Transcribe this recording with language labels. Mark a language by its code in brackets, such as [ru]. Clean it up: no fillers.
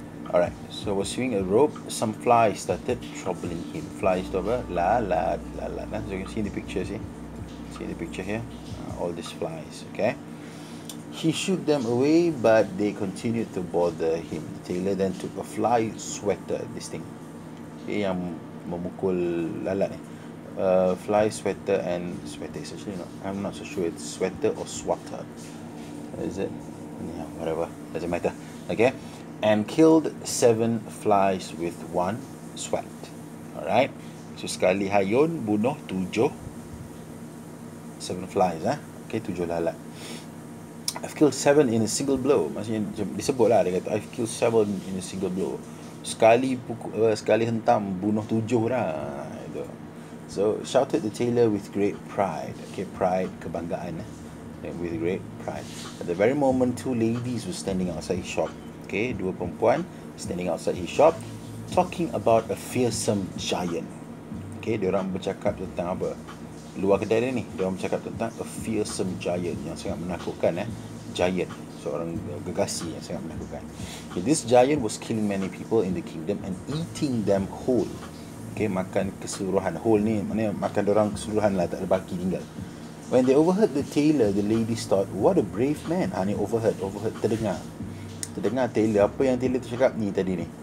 [en] Alright, so was swinging a rope, some flies started troubling him. Flies [ms] tu apa? Lalat, lalat. [en] Nah, so you can see in the picture, see the picture here, all these flies. Okay. He shook them away, but they continued to bother him. The tailor then took a fly sweater, this thing. [ms] Okay, yang memukul lalat ni. [en] Fly sweater and sweater. It's actually not, I'm not so sure it's sweater or swatter. Is it? Yeah, whatever. Doesn't matter. Okay. And killed 7 flies with 1 swat. Alright. [ms] So sekali hayun bunuh 7. [en] 7 flies. [ms] Okay, 7 lalat. [en] I've killed 7 in a single blow. [ms] Maksudnya disebut lah. Dia kata [en] I've killed 7 in a single blow. [ms] Sekali hentam bunuh 7 lah. Itu. [en] So shouted the tailor with great pride. Okay, pride, kebanggaan. With great pride. At the very moment, 2 ladies were standing outside his shop. Okay, 2 perempuan standing outside his shop, talking about a fearsome giant. [ms] Okay, diorang bercakap tentang apa? Luar kedai ni, diorang bercakap tentang [en] a fearsome giant [ms] yang sangat menakutkan. Giant, seorang gergasi yang sangat menakutkan. [en] Okay, this giant was killing many people in the kingdom and eating them whole. [ms] Okay, makan keseluruhan. Whole ni maknanya makan diorang keseluruhan lah, tak ada baki tinggal. [en] When they overheard the tailor, the ladies thought, what a brave man. [ms] Ha, ni overheard, terdengar. Terdengar tailor, apa yang tailor tu cakap ni tadi ni.